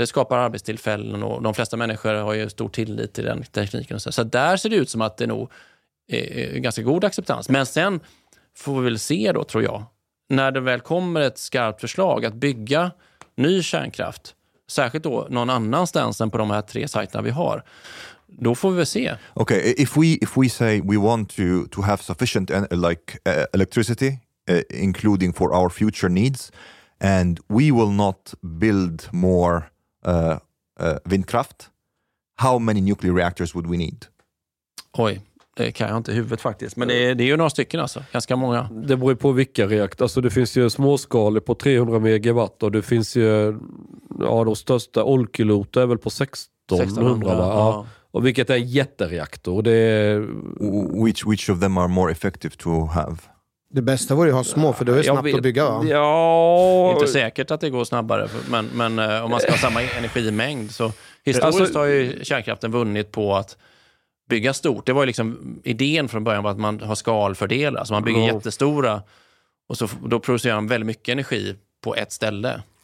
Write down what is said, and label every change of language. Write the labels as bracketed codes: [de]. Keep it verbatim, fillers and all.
[sv] Det skapar arbetstillfällen och de flesta människor har ju stor tillit till den tekniken och så. Så där ser det ut som att det nog är eh, ganska god acceptans. Men sen får vi väl se då, tror jag, när det väl kommer ett skarpt förslag att bygga ny kärnkraft, särskilt då någon annanstans än på de här tre sajterna vi har. Då får vi se. [en] Okay, if we if we say we want to to have sufficient en- like uh, electricity uh, including for our future needs and we will not build more uh, uh, windkraft, how many nuclear reactors would we need? [sv] Oj, det kan jag inte i huvudet faktiskt, men det är, det är ju några stycken alltså, ganska många. Det beror på vilka reaktorer. Alltså det finns ju småskalig på trehundra megawatt och det finns ju ja de största Olkiluoto är väl på sexton hundra va? Ja. Och vilket är en jättereaktor. Det är... [en] which which of them are more effective to have? [sv] Det bästa vore ju att ha små, för det är snabbt vet, att bygga, va? Ja. Inte säkert att det går snabbare, för, men, men om man ska ha samma energimängd så... Historiskt alltså, har ju kärnkraften vunnit på att bygga stort. Det var ju liksom idén från början, var att man har skalfördelar. Alltså man bygger oh. jättestora och så, då producerar man väldigt mycket energi på ett ställe.